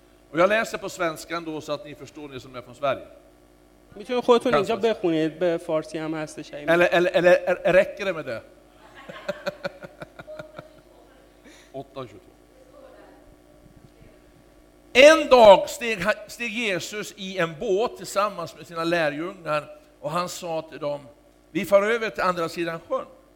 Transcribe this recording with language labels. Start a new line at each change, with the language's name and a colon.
Swedish: Och jag läser på svenska ändå så att ni förstår, ni som är från Sverige. Ni kan
Persian: خودتون اینجا بخونید به فارسی هم هستش.
Swedish: Eller räcker det med det? 8:22. En dag steg Jesus i en båt tillsammans med sina lärjungar och han sa till dem, vi far över till andra sidan sjön.